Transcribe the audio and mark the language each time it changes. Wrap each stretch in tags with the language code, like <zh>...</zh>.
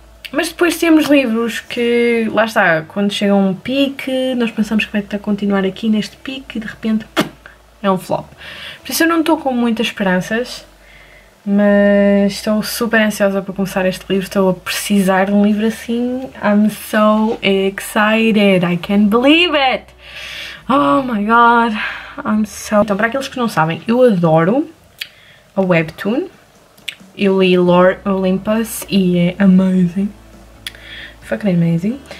<pt>Mas depois temos livros que, lá está, quando chega um pique, nós pensamos que vai estar a continuar aqui neste pique e de repente é um flop. Por isso eu não estou com muitas esperanças. Mas estou super ansiosa para começar este livro, estou a precisar de um livro assim.</pt> <en>I'm so excited, I can't believe it! Oh my god, I'm so...</en> <pt>Então, para aqueles que não sabem, eu adoro a webtoon. Eu li Lore Olympus e é amazing.</pt> <en>Fucking amazing.</en>